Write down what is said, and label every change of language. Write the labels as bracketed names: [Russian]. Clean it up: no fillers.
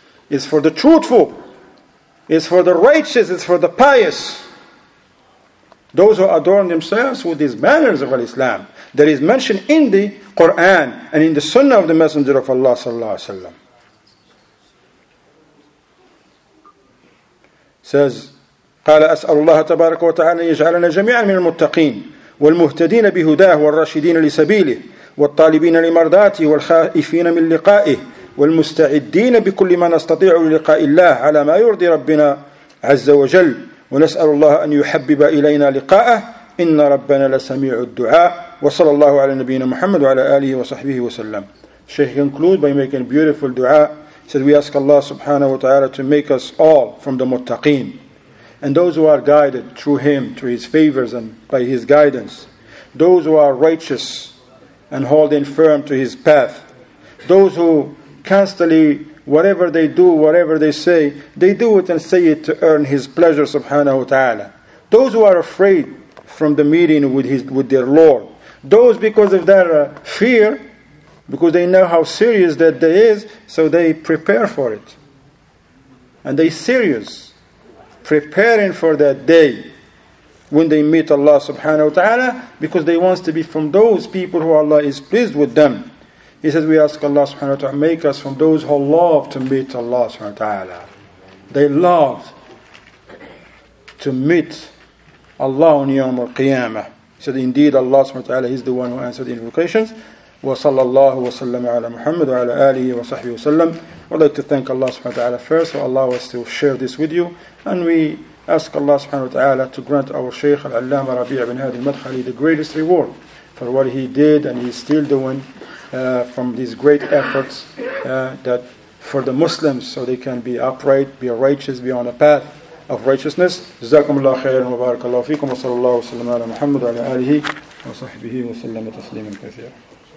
[English] It's for the truthful. It's for the righteous. It's for the pious. Those who adorn themselves with these manners of Al-Islam. That is mentioned in the Quran and in the Sunnah of the Messenger of Allah sallallahu alaihi wasallam. [Arabic] Says, قال أسأل الله تبارك وتعالى يجعلنا جميعا من المتقين والمهتدين بهداه والراشدين لسبيله والطالبين لمرضاته والخائفين من لقائه والمستعدين بكل ما نستطيع للقاء الله على ما يرضي ربنا عز وجل ونسأل الله أن يحبب إلينا لقاءه إن ربنا لسميع الدعاء وصلى الله على نبينا محمد وعلى آله وصحبه وسلم. [English] Sheikh conclude by making a beautiful dua. He said, we ask Allah subhanahu wa ta'ala to make us all from the muttaqeen and those who are guided through Him, through His favors and by His guidance. Those who are righteous and holding firm to His path. Those who constantly, whatever they do, whatever they say, they do it and say it to earn His pleasure subhanahu wa ta'ala. Those who are afraid from the meeting with their Lord. Those because of their fear, because they know how serious that day is, so they prepare for it. And they're serious, preparing for that day when they meet Allah subhanahu wa ta'ala, because they want to be from those people who Allah is pleased with them. He says, we ask Allah subhanahu wa ta'ala, make us from those who love to meet Allah subhanahu wa ta'ala. They love to meet Allah on Yawm al-Qiyamah. He said, indeed Allah subhanahu wa ta'ala is the one who answered the invocations. [Arabic] وصلى الله وسلم على محمد وعلى آله وصحبه وسلم. [English] I'd like to thank Allah subhanahu wa ta'ala first, so Allah was to share this with you. And we ask Allah subhanahu wa ta'ala to grant our Shaykh Al-Allama Rabi' ibn Hadi al-Madkhali the greatest reward for what he did, and he's still doing from these great efforts that for the Muslims, so they can be upright, be righteous, be on a path of righteousness. [Arabic] جزاكم الله خيرا وبارك الله فيكم وصلى الله وسلم على محمد وعلى آله وصحبه وسلم تسليما كثيرا.